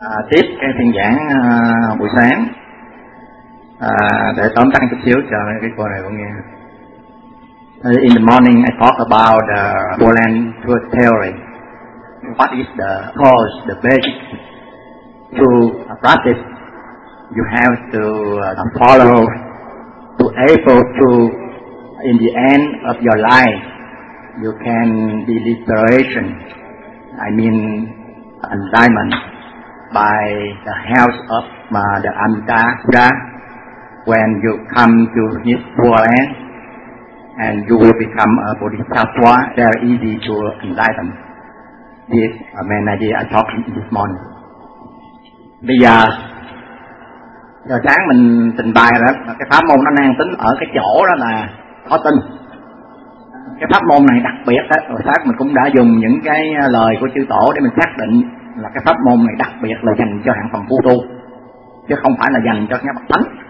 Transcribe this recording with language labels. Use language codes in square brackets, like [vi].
[vi] Tiếp cái phiên giảng buổi sáng, để tóm tắt chút xíu cho cái cô này cũng nghe. [en] In the morning I talk about the Four Land Truth Theory. What is the cause, the basis to practice? You have to follow to able to, in the end of your life, you can be liberation, I mean enlightenment, by the help of the Amitabha. When you come to this world and you will become a Bodhisattva, very easy to enlighten. This main idea I talked this morning. [vi] Bây giờ sáng mình trình bày đó, cái pháp môn nó mang tính ở cái chỗ đó là khó tin. Cái pháp môn này đặc biệt đó, hồi sáng mình cũng đã dùng những cái lời của chư tổ để mình xác định là cái pháp môn này đặc biệt là dành cho hạng phàm phu tu, chứ không phải là dành cho các bậc thánh.